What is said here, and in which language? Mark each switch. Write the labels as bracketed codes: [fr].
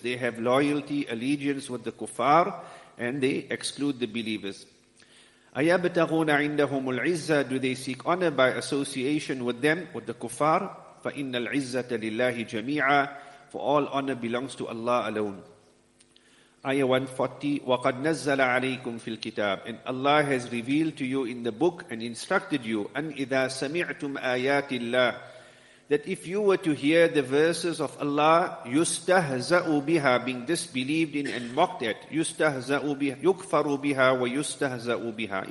[en] They have loyalty, allegiance with the kuffar, and they exclude the believers. [ar] أَيَبْتَغُونَ عِنْدَهُمُ الْعِزَّةِ. [en] Do they seek honor by association with them, with the kuffar? [ar] فَإِنَّ الْعِزَّةَ لِلَّهِ جَمِيعًا. [en] For all honor belongs to Allah alone. Ayah 140, [ar] وَقَدْ نَزَّلَ عَلَيْكُمْ فِي الْكِتَابِ. [en] And Allah has revealed to you in the book and instructed you, [ar] أَنْ إِذَا سَمِعْتُمْ آيَاتِ اللَّهِ. [en] that if you were to hear the verses of Allah, yustahza'u biha, being disbelieved in and mocked at, [ar] yustahza'u biha, yukfaru biha, wa yustahza'u biha.